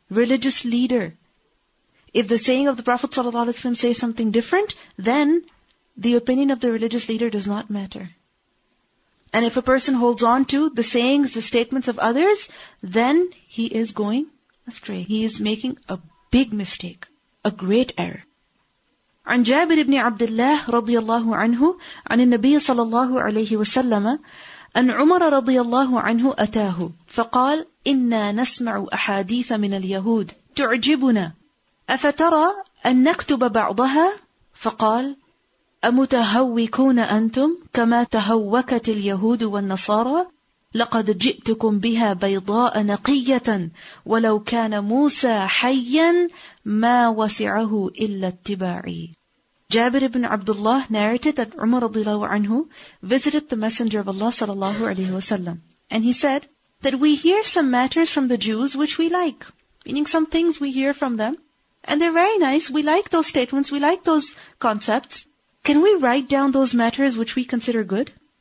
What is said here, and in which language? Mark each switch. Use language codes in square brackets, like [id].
[en] Religious leader. If the saying of the Prophet sallallahu alaihi wasallam says something different, then the opinion of the religious leader does not matter. And if a person holds on to the sayings, the statements of others, then he is going astray. He is making a big mistake, a great error. [ar] عن جابر بن عبد الله رضي الله عنه عن النبي صلى الله عليه وسلم أن عمر رضي الله عنه أتاه فقال إنا نسمع أحاديث من اليهود تعجبنا أفترى أن نكتب بعضها فقال أمتهوكون أنتم كما تهوكت اليهود والنصارى لقد جئتكم بها بيضاء نقية ولو كان موسى حيا ما وسعه إلا اتباعي. [en] Jabir ibn Abdullah narrated that Umar radiallahu anhu visited the Messenger of Allah sallallahu alaihi wasallam, and he said that we hear some matters from the Jews which we like, meaning some things we hear from them, and they're very nice. We like those statements. We like those concepts. Can we write down those matters which we consider good?